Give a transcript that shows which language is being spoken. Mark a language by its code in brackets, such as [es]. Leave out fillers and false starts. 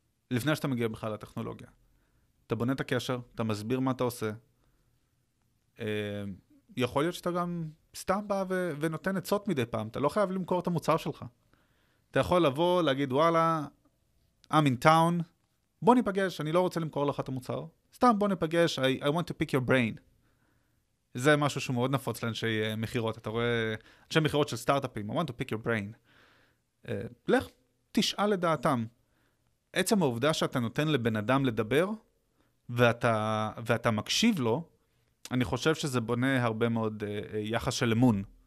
[he] לפני שאתה מגיע בכלל לטכנולוגיה. אתה בונה את הקשר, אתה מסביר מה אתה עושה. יכול להיות שאתה גם סתם בא ונותן עצות מדי פעם. אתה לא חייב למכור את המוצר שלך. אתה יכול לבוא, להגיד, וואלה, [en] I'm in town, [he] בוא ניפגש, אני לא רוצה למכור לך את המוצר. סתם בוא ניפגש, [en] I want to pick your brain. [he] זה משהו שהוא מאוד נפוץ לאנשי מחירות. אתה רואה, אנשי מחירות של סטארט-אפים, [en] I want to pick your brain. [he] לך, תשאל לדעתם. עצם העובדה שאתה נותן לבן אדם לדבר, ואתה מקשיב לו, אני חושב שזה בונה הרבה מאוד יחס של אמון.